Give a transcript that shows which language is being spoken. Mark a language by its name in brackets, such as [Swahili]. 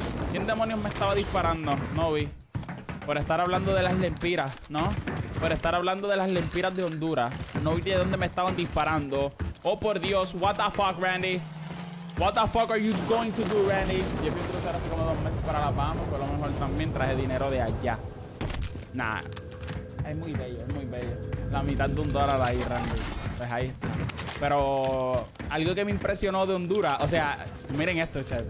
[Spanish] ¿Quién demonios me estaba disparando? No vi. Por estar hablando de las lempiras, ¿no? Por estar hablando de las lempiras de Honduras. No vi de dónde me estaban disparando. Oh, por Dios. [English] What the fuck, Randy? What the fuck are you going to do, Randy? [Spanish] Yo fui a cruzar hace como 2 meses para la Pama, pero a lo mejor también traje dinero de allá. Nah. Es muy bello, es muy bello. La mitad de un dólar ahí, Randy. Pues ahí está. Pero algo que me impresionó de Honduras, o sea, miren esto, chat.